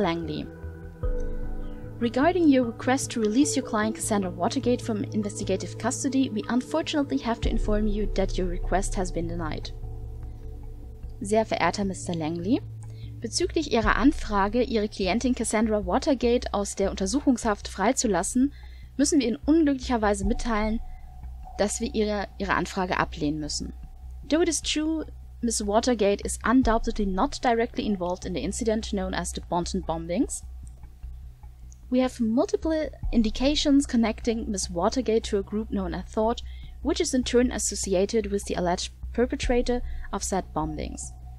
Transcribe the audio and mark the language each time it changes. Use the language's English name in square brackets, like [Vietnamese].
[English] Langley, regarding your request to release your client Cassandra Watergate from investigative custody, we unfortunately have to inform you that your request has been denied. [German] Sehr verehrter Mr. Langley, bezüglich Ihrer Anfrage, Ihre Klientin Cassandra Watergate aus der Untersuchungshaft freizulassen, müssen wir Ihnen unglücklicherweise mitteilen, dass wir Ihre Anfrage ablehnen müssen. [English] Though it is true, Miss Watergate is undoubtedly not directly involved in the incident known as the Bonton Bombings, we have multiple indications connecting Miss Watergate to a group known as Thought, which is in turn associated with the alleged perpetrator of said bombings.